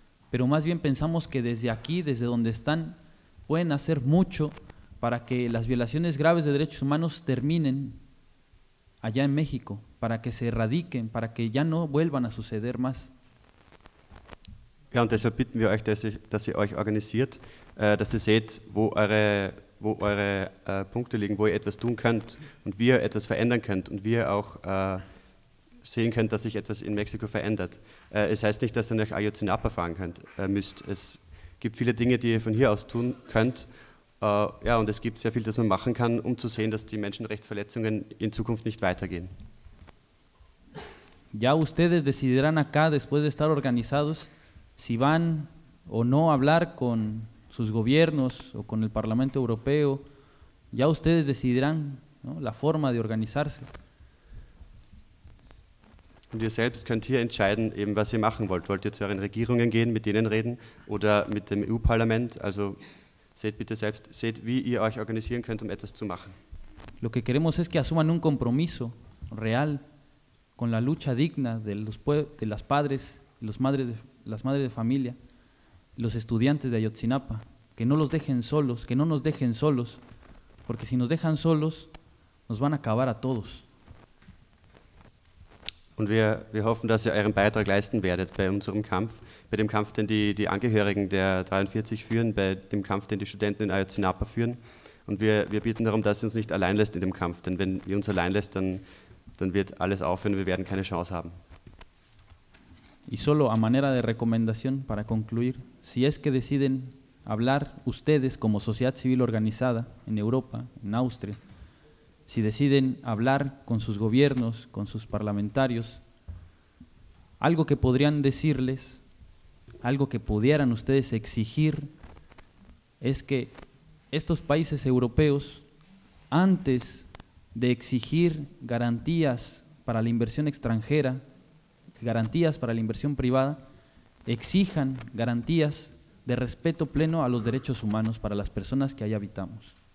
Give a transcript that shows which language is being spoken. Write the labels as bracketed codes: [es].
[es] Pero más bien pensamos que desde aquí, desde donde están, pueden hacer mucho para que las violaciones graves de derechos humanos terminen allá en México, para que se erradiquen, para que ya no vuelvan a suceder más. [de] Ja, und deshalb bitten wir euch, dass ihr euch organisiert, dass ihr seht, wo eure Punkte liegen, wo ihr etwas tun könnt und wie ihr etwas verändern könnt und wie ihr auch sehen könnt, dass sich etwas in Mexiko verändert. Es heißt nicht, dass ihr nach Ayotzinapa fahren müsst. Es gibt viele Dinge, die ihr von hier aus tun könnt. Und es gibt sehr viel, das man machen kann, um zu sehen, dass die Menschenrechtsverletzungen in Zukunft nicht weitergehen. [es] Ja, ustedes decidirán acá, después de estar organizados, si van o no a hablar con sus gobiernos o con el Parlamento Europeo, ya ustedes decidirán, ¿no?, la forma de organizarse. [de] Und ihr selbst könnt hier entscheiden, eben was ihr machen wollt. Wollt ihr zu euren Regierungen gehen, mit denen reden oder mit dem EU-Parlament? Also seht bitte selbst, seht, wie ihr euch organisieren könnt, um etwas zu machen. [es] Lo que queremos es que asuman un compromiso real con la lucha digna de las madres de familia, los estudiantes de Ayotzinapa, que no los dejen solos, que no nos dejen solos, porque si nos dejan solos, nos van a acabar a todos. [de] Und wir hoffen, dass ihr euren Beitrag leisten werdet bei unserem Kampf, bei dem Kampf, den die Angehörigen der 43 führen, bei dem Kampf, den die Studenten in Ayotzinapa führen. Und wir bitten darum, dass ihr uns nicht allein lässt in dem Kampf, denn wenn ihr uns allein lässt, dann wird alles aufhören, wir werden keine Chance haben. [es] Y solo a manera de recomendación para concluir, si es que deciden hablar ustedes como sociedad civil organizada en Europa, en Austria, si deciden hablar con sus gobiernos, con sus parlamentarios, algo que podrían decirles, algo que pudieran ustedes exigir, es que estos países europeos, antes de exigir garantías para la inversión extranjera, garantías para la inversión privada, exijan garantías de respeto pleno a los derechos humanos para las personas que allá habitamos.